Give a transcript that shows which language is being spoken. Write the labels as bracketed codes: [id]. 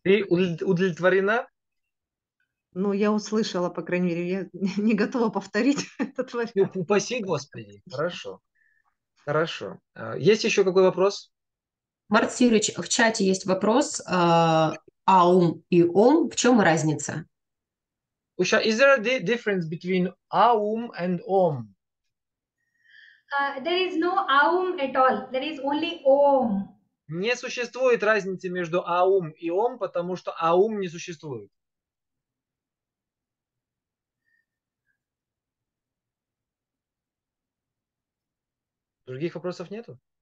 [ru] Ты удовлетворена? Ну, я услышала, по крайней мере. Я не готова повторить этот вариант. Упаси, Господи. Хорошо. Хорошо. Есть еще какой вопрос? Марк Сирович, в чате есть вопрос. Аум и ом, в чем разница? [en] Usha, is there a difference between аум and ом? There is no аум at all. There is only ом. [ru] Не существует разницы между аум и ом, потому что аум не существует. Других вопросов нету?